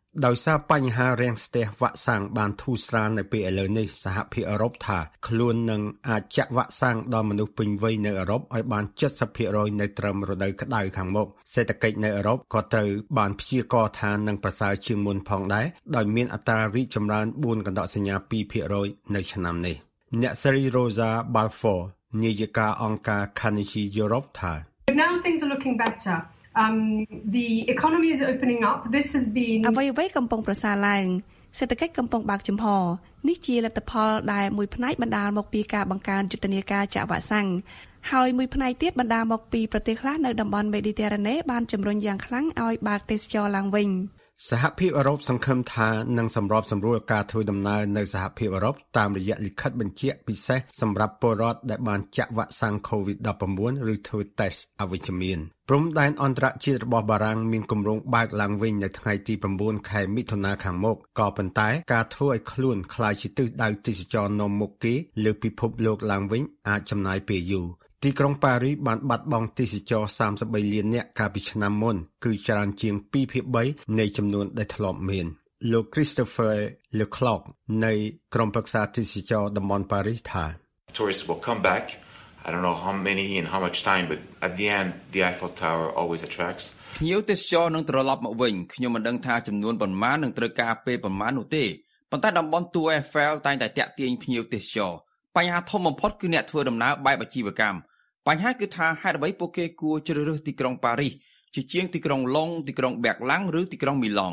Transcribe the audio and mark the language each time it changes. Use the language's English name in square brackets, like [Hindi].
[Khmer] ដោយសារបញ្ហារាំងស្ទះវ៉ាក់សាំងបានធូរស្រាលនៅពេលឥឡូវនេះសហភាពអឺរ៉ុបថាខ្លួននឹងអាចចាក់វ៉ាក់សាំងដល់មនុស្សពេញវ័យនៅអឺរ៉ុបឲ្យបាន 70% នៅត្រឹមរដូវក្តៅខាងមុខសេដ្ឋកិច្ចនៅអឺរ៉ុបក៏ត្រូវបានព្យាករណ៍ថានឹងប្រសើរជាងមុនផងដែរដោយមានអត្រារីកចម្រើន 4.2% 2%នៅឆ្នាំនេះអ្នកស្រី Rosa Balfour នាយិកាអង្គការ Carnegie Europe ថា [English] Now things are looking better. The economy is opening up. This has been [Khmer] អ្វីៗកំពុងប្រសើរឡើងសេដ្ឋកិច្ចកំពុងបើកចំហនេះជាលទ្ធផលដែលមួយផ្នែកបណ្ដាលមកពីការបង្កើនយុទ្ធនាការចាក់វ៉ាក់សាំងហើយមួយផ្នែកទៀតបណ្ដាលមកពីប្រទេសខ្លះនៅតំបន់មេឌីទែរ៉ាណេបានជំរុញយ៉ាងខ្លាំងឲ្យបើកទេសចរឡើងវិញ សហភាពអឺរ៉ុបសង្ឃឹមថានឹងសម្របសម្រួលការធ្វើដំណើរនៅសហភាពអឺរ៉ុបតាមរយៈលិខិតបញ្ជាក់ពិសេសសម្រាប់ពលរដ្ឋដែលបានចាក់វ៉ាក់សាំង COVID-19 ឬធ្វើតេស្តអវិជ្ជមានព្រំដែនអន្តរជាតិរបស់បារាំងមានគម្រោងបើកឡើងវិញនៅថ្ងៃទី9ខែមិថុនាខាងមុខក៏ប៉ុន្តែការធ្វើឲ្យខ្លួនក្លាយជាទិសដៅទេសចរណ៍នាំមុខគេលើពិភពលោកឡើងវិញអាចចំណាយពេលយូរទីក្រុងប៉ារីសបានបាត់បង់ទេសចរ33លានអ្នកកាលពីឆ្នាំមុនគឺច្រើនជាង2/3នៃចំនួនដែលធ្លាប់មានលោក Christopher Leclerc នៃក្រុមប្រឹក្សាទេសចរតំបន់ប៉ារីសថា [English] Tourists will come back. I don't know how many and how much time, but at the end the Eiffel Tower always attracts. [Khmer] ភ្ញៀវទេសចរនឹងត្រឡប់មកវិញខ្ញុំមិនដឹងថាចំនួនប៉ុន្មាននឹងត្រូវការពេលប៉ុន្មាននោះទេប៉ុន្តែតំបន់ Tour Eiffel តែងតែទាក់ទាញភ្ញៀវទេសចរបញ្ហាធំបំផុតគឺអ្នកធ្វើដំណើរបែបអាជីវកម្មបញ្ហាគឺថាហេតុអ្វីពួកគេគួរជ្រើសរើសទីក្រុងប៉ារីសជាជាងទីក្រុងឡុងទីក្រុងបែកឡាំងឬទីក្រុងមីឡង